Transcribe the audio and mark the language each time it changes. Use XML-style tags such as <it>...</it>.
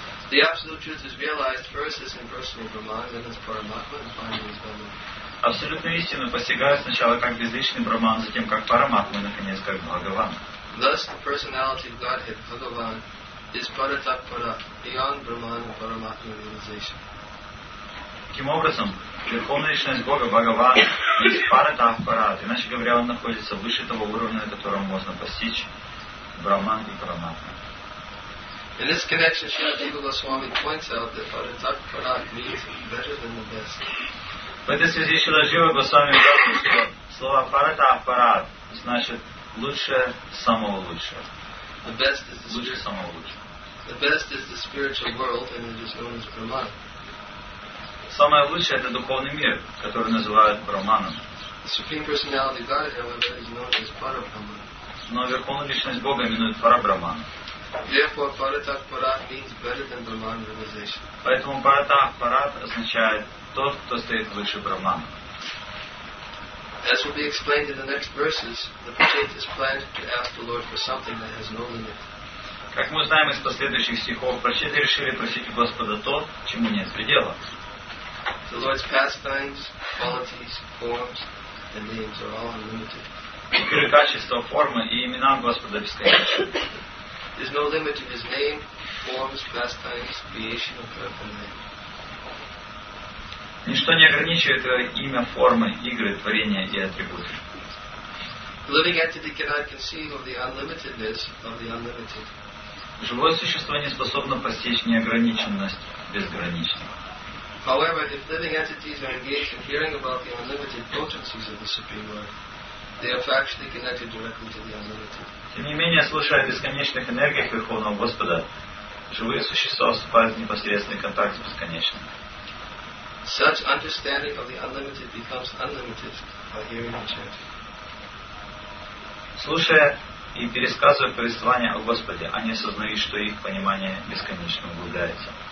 <en>The absolute truth is realized first as impersonal Brahman, then as Paramatma, and finally as Bhagavan.</en> <ru>Абсолютную истину постигают сначала как безличный Брахман, затем как Параматма, и наконец как Бхагаван.</ru> <en>Thus the personality of Godhead, Bhagavan, is Paratatpara, beyond Brahman and Paramatma realization.</en> <ru>Таким образом, Верховная Личность Бога, Бхагаван, есть Парататпара, иначе говоря, он находится выше того уровня, на котором можно постичь Брахман и Параматма.</ru> <en>In this connection, Srila Jiva Goswami points out that Paratatpara means better than the best.</en> <ru>В этой связи Шрила Джива Госвами говорит, что слово «парата аппарат» значит «лучшее самого лучшего».</ru> <en>The best is the</en> <ru>лучшее самого лучшего.</ru> <en>The best is the spiritual world, and it is known as Brahman.</en> <ru>Самое лучшее – это духовный мир, который называют Брахманом.</ru> <en>The Supreme Personality of God, however, is known as Parabrahman.</en> <ru>Но Верховная Личность Бога именует Парабрахман.</ru> <en>Therefore, «парата аппарат» means better than Brahman realization.</en> <ru>Поэтому «парата аппарат» означает тот, кто стоит выше Брахмана.</ru> <en>As will be explained in the next verses, the Pachetas planned to ask the Lord for something that has no limit.</en> <ru>Как мы знаем из последующих стихов, Пачеты решили просить у Господа то, чему нет предела.</ru> <en>The Lord's pastimes, qualities, forms, and names are all unlimited.</en> <ru>Теперь качества, формы и имена Господа бесконечны.</ru> <en>There's no limit to His name, forms, pastimes, creation, or purple name.</en> <ru>Ничто не ограничивает его имя, формы, игры, творения и атрибуты.</ru> <en>Living entity cannot conceive of the unlimitedness of the unlimited.</en> <ru>Живое существо не способно постичь неограниченность безграничного.</ru> <en>However, if living entities are engaged in hearing about the unlimited potencies of the Supreme Lord, they are factually connected directly to the unlimited.</en> <ru>Тем не менее, слушая о бесконечных энергиях Верховного Господа, живые существа вступают в непосредственный контакт с бесконечным.</ru> <en>Such understanding of the unlimited becomes unlimited by hearing the chanting.</en> <ru>Слушая и пересказывая повествование о Господе, они осознают, что их понимание бесконечно углубляется.</ru>